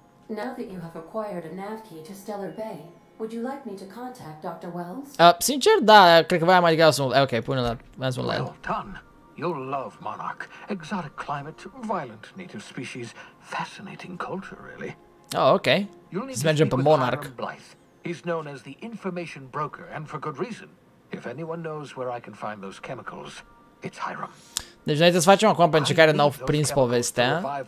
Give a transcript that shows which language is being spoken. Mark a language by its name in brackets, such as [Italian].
[English] Now that you have acquired a nav key to Stellar Bay, would you like me to contact Dr. Wells? [Romanian] Sincer, da, cred că voiam mai degrabă să mă... Ok, pune la... [English] Well done. You'll love Monarch. Exotic climate, violent native species, fascinating culture, really. Oh, ok. You'll need to speak with Monarch. He's known as the information broker, and for good reason. If anyone knows where I can find those chemicals, it's Hiram. [Romanian] Deci noi să facem acum pe încercare, n-au prins povestea.